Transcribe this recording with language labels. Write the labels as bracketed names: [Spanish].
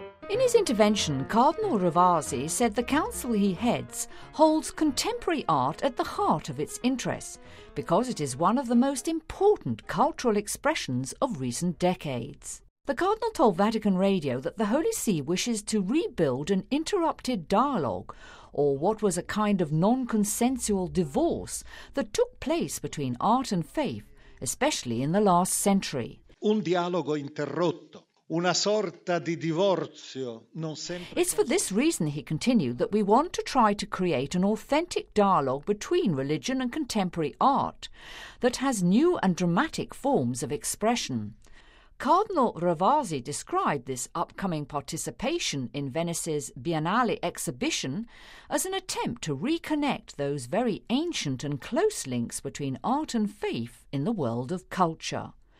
[English] In his intervention, Cardinal Ravasi said the council he heads holds contemporary art at the heart of its interests because it is one of the most important cultural expressions of recent decades. The Cardinal told Vatican Radio that the Holy See wishes to rebuild an interrupted dialogue, or what was a kind of non-consensual divorce that took place between art and faith, especially in the last century. [Italian] Un dialogo interrotto. Una sorta di divorzio, non sempre. [English] It's for this reason, he continued, that we want to try to create an authentic dialogue between religion and contemporary art that has new and dramatic forms of expression. Cardinal Ravasi described this upcoming participation in Venice's Biennale exhibition as an attempt to reconnect those very ancient and close links between art and faith in the world of culture.